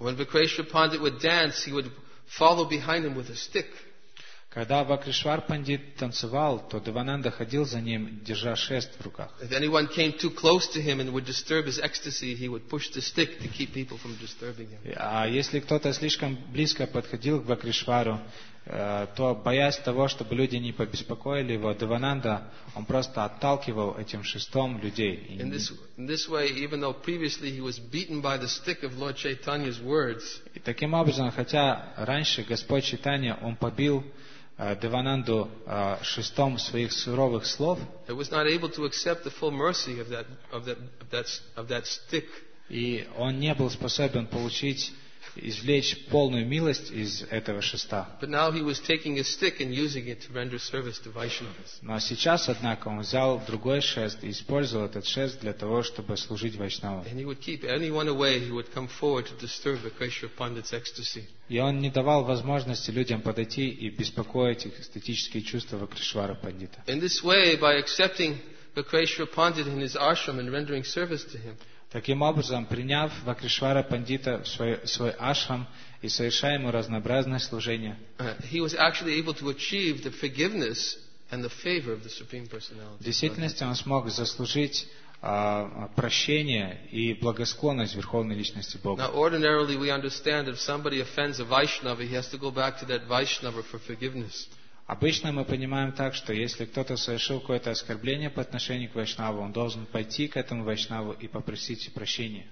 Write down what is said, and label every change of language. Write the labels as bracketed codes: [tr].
[en] When Vakrishra Pandit would dance, he would follow behind him with a stick. [ru] Когда Вакришвар Пандит танцевал, то Девананда ходил за ним, держа шест в руках. [en] If anyone came too close to him and would disturb his ecstasy, he would push the stick to keep people from disturbing him. [ru] А если кто-то слишком близко подходил к Вакришвару, то, боясь того, чтобы люди не побеспокоили его, Девананда, он просто отталкивал этим шестом людей. [en] In this way, even though previously he was beaten by the stick of Lord Chaitanya's words, [ru] и таким образом, хотя раньше Господь Чайтанья, он побил Девананду шестом своих суровых слов, [en] he was not able to accept the full mercy of that stick. [ru] И он не был способен получить извлечь полную милость из этого шеста. [en] But now he was taking a stick and using it to render service to Vaishnavas. [ru] Но сейчас, однако, он взял другой шест и использовал этот шест для того, чтобы служить Вайшнавам. [en] And he would keep anyone away who would come forward to disturb Vakrishra Pandit's ecstasy. [ru] И он не давал возможности людям подойти и беспокоить их эстетические чувства Вакришвара Пандита. [en] In this way, by accepting Vakrishra Pandit in his ashram and rendering service to him, [ru] таким образом, приняв Вакришвара Пандита в свой ашрам и совершая ему разнообразное служение, [en] he was actually able to achieve the forgiveness and the favor of the Supreme Personality. [ru] В действительности он смог заслужить прощение и благосклонность Верховной Личности Бога. [en] Now ordinarily we understand if somebody offends a Vaishnava, he has to go back to that Vaishnava for forgiveness. [ru] Обычно мы понимаем так, что если кто-то совершил какое-то оскорбление по отношению к Вайшнаву, он должен пойти к этому Вайшнаву и попросить прощения.